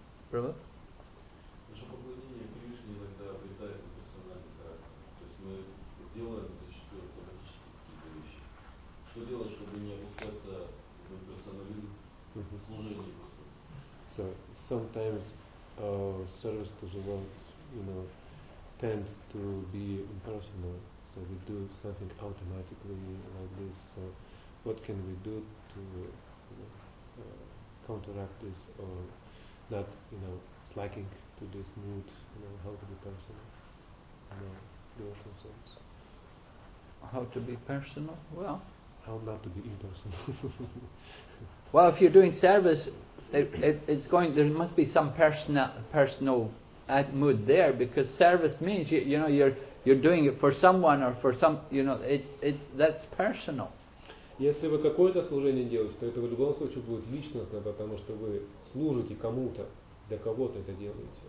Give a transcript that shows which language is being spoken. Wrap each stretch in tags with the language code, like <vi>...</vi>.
<ru>Правда? Наше поклонение Кришне иногда обретает персональный характер. То есть мы делаем зачастую автоматически какие-то вещи. Что делать, чтобы не опускаться в персонализм в служении Господу?</ru> <en>So, sometimes our service to the Lord, you know, tend to be impersonal. So we do something automatically like this. So what can we do to counteract this or not, you know, slacking to this mood, you know, how to be personal, you know, devotional service? How to be personal? Well, how not to be impersonal? Well, if you're doing service, there must be some personal mood there, because service means you're doing it for someone or for some, you know, that's personal.</en> <ru>Если вы какое-то служение делаете, то это в любом случае будет личностно, потому что вы служите кому-то, для кого-то это делаете.</ru>